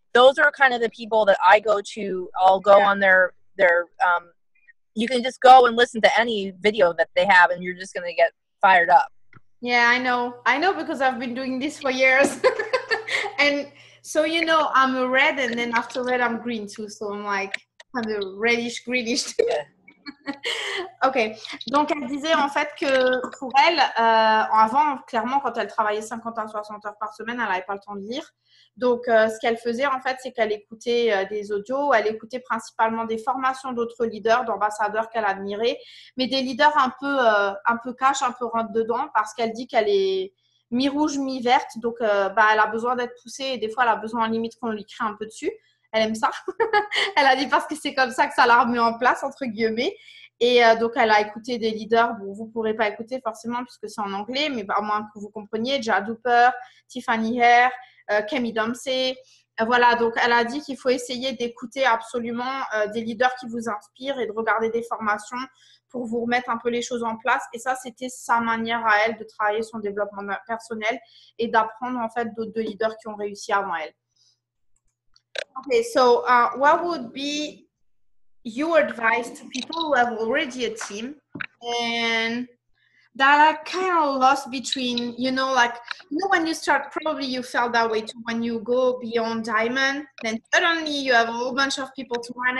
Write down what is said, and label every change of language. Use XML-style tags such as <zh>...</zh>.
<en>Those are kind of the people that I go to. I'll go on their you can just go and listen to any video that they have and you're just going to get fired up. Yeah, I know. I know because I've been doing this for years. And so, you know, I'm a red and then after red, I'm green too. So I'm like, I'm a reddish, greenish too. Yeah.</en> <fr>Ok, donc elle disait en fait que pour elle, avant, clairement, quand elle travaillait 50 à 60 heures par semaine, elle n'avait pas le temps de lire. Donc, ce qu'elle faisait en fait, c'est qu'elle écoutait des audios, elle écoutait principalement des formations d'autres leaders, d'ambassadeurs qu'elle admirait, mais des leaders un peu cash, un peu rentre-dedans, parce qu'elle dit qu'elle est mi-rouge, mi-verte, donc elle a besoin d'être poussée et des fois, elle a besoin en limite qu'on lui crée un peu dessus. Elle aime ça. Elle a dit parce que c'est comme ça que ça l'a remis en place, entre guillemets. Et donc, elle a écouté des leaders. Bon, vous ne pourrez pas écouter forcément puisque c'est en anglais, mais à moins que vous compreniez. Jad Hooper, Tiffany Hare, Kemi Dempsey. Voilà, donc elle a dit qu'il faut essayer d'écouter absolument des leaders qui vous inspirent et de regarder des formations pour vous remettre un peu les choses en place. Et ça, c'était sa manière à elle de travailler son développement personnel et d'apprendre en fait d'autres leaders qui ont réussi avant elle.</fr> <en>Okay, so what would be your advice to people who have already a team and that are kind of lost between, you know, like, you know, when you start, probably you felt that way too, when you go beyond diamond, then suddenly you have a whole bunch of people to</en>